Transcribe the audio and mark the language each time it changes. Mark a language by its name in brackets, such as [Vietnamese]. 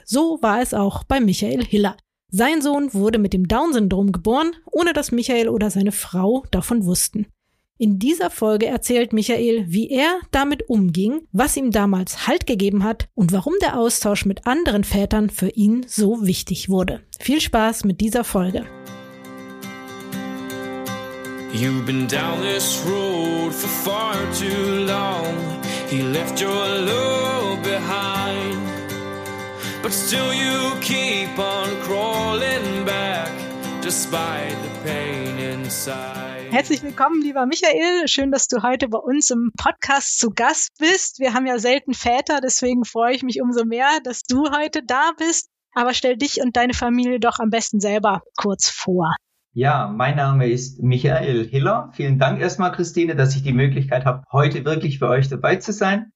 [German] So war es auch bei Michael Hiller. Sein Sohn wurde mit dem Down-Syndrom geboren, ohne dass Michael oder seine Frau davon wussten. In dieser Folge erzählt Michael, wie er damit umging, was ihm damals Halt gegeben hat und warum der Austausch mit anderen Vätern für ihn so wichtig wurde. Viel Spaß mit dieser Folge. [English] You've been down this road for far too long. He left your love behind. But still you keep on crawling back, despite the pain inside. [German] Herzlich willkommen, lieber Michael. Schön, dass du heute bei uns im Podcast zu Gast bist. Wir haben ja selten Väter, deswegen freue ich mich umso mehr, dass du heute da bist. Aber stell dich und deine Familie doch am besten selber kurz vor. Ja, mein Name ist Michael Hiller. Vielen Dank erstmal, Christine, dass ich die Möglichkeit habe, heute wirklich bei euch dabei zu sein.